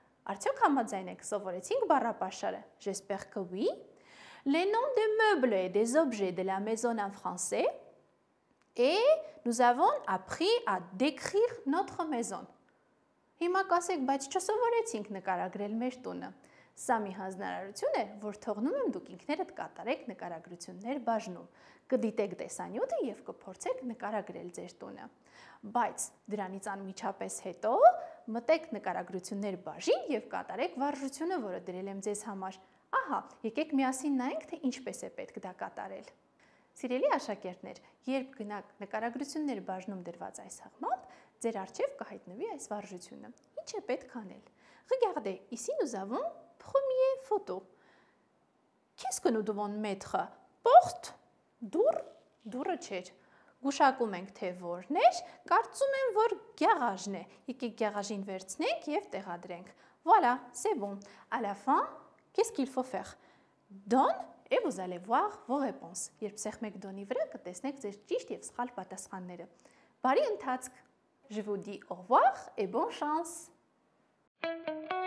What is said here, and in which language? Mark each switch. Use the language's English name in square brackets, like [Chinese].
[Armenian] Artyok hamadzainek sovoretink barapashare. [French] J'espère que oui. Les noms des meubles et des objets de la maison en français. Et nous avons appris à décrire notre maison. [Armenian] Հիմա կասեք, բայց չսովորեցինք նկարագրել մեր տունը. Սա մի հանձնարարություն է, որ թողնում եմ դուք ինքներդ կատարեք նկարագրություններ բաժնում։ Կդիտեք տեսանյութը և կփորձեք նկարագրել ձեր տունը։ Բայց դրանից անմիջապես հետո մտեք նկարագրություններ բաժին և կատարեք վարժությունը, որը դրել եմ ձեզ համար։ Ահա, եկեք միասին նայենք, թե ինչպես է պետք դա կատարել։ Սիրելի աշակերտներ, երբ գնաք նկարագրություններ բաժնում դրված այս հղմամբ, ձեր առջև կհայտնվի այս վարժությունը։ Ինչ է պետք անել։ [French] Regardez, ici nous avons premier photo. Qu'est-ce que nous devons mettre? Porte, dur, dur chez. [Armenian] Գուշակում ենք թե որն է, կարծում եմ որ գարաժն է։ Եկեք գարաժին վերցնենք եւ տեղադրենք։ [French] Voilà, c'est bon. À la fin, qu'est-ce qu'il faut faire? Donne et vous allez voir vos réponses. [Armenian] Երբ սեղմեք դոնի վրա կտեսնեք ձեր ճիշտ եւ սխալ պատասխանները։ Բարի ընթացք։ [French] Je vous dis au revoir et bonne chance. [English] Thank you.